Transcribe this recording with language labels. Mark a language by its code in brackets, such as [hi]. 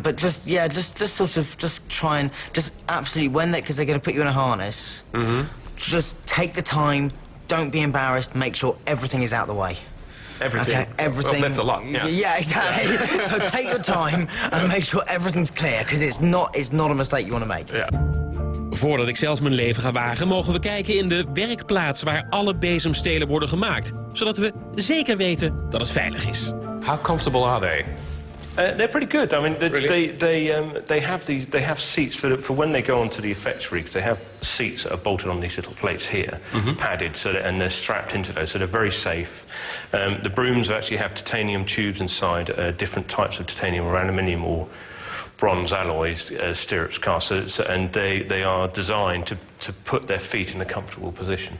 [en] But just try and absolutely when that, because they're going to put you in a harness. Mm-hmm. Just take the time. Don't be embarrassed. Make sure everything is out the way. Everything. Okay, everything. Well, that's a lot. Yeah, exactly. Yeah. So take your time and make sure everything's clear, because it's not a mistake you want to make. Yeah. [nl] Voordat ik zelf mijn leven ga wagen, mogen we kijken in de werkplaats waar alle bezemstelen worden gemaakt, zodat we zeker weten dat het veilig is. [en] How comfortable are they? They're pretty good. I mean, really? they have seats for when they go onto the effectory, because they have seats that are bolted on these little plates here, mm-hmm. padded, and they're strapped into those, so they're very safe. The brooms actually have titanium tubes inside, different types of titanium or aluminium or bronze alloys, stirrups, casters, and they are designed to put their feet in a comfortable position.